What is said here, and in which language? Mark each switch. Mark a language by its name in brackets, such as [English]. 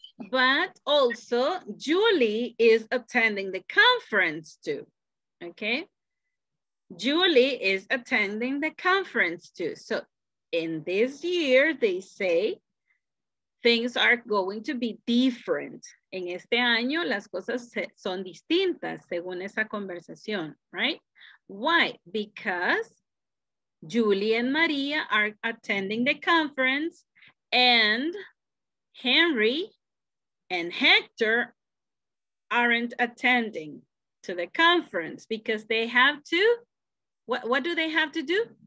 [English] But also Julie is attending the conference too. Okay, Julie is attending the conference too. So in this year, they say things are going to be different. [Spanish] En este año, las cosas son distintas según esa conversación, right? [English] Why? Because Julie and Maria are attending the conference and Henry and Hector aren't attending to the conference because they have to, what do they have to do?